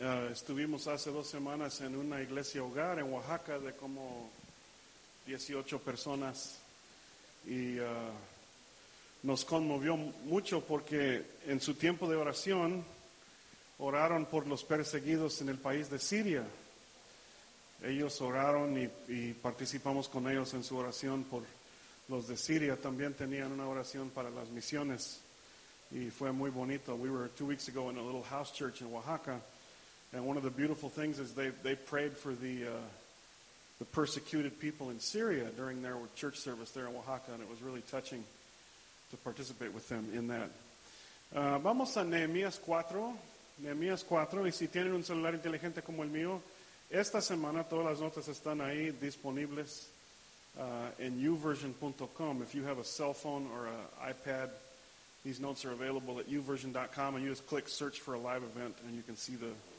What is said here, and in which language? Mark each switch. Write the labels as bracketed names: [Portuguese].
[Spanish] Estuvimos hace dos semanas en una iglesia hogar en Oaxaca de como 18 personas y nos conmovió mucho porque en su tiempo de oración oraron por los perseguidos en el país de Siria. Ellos oraron y participamos con ellos en su oración por los de Siria. También tenían una oración para las misiones y fue muy bonito. [English] We were 2 weeks ago in a little house church in Oaxaca. And one of the beautiful things is they prayed for the persecuted people in Syria during their church service there in Oaxaca, and it was really touching to participate with them in that. [Spanish] Vamos a Nehemías 4. Nehemías 4, y si tienen un celular inteligente como el mío, esta semana todas las notas están ahí disponibles en uversion.com. [English] If you have a cell phone or an iPad, these notes are available at uversion.com, and you just click search for a live event, and you can see the...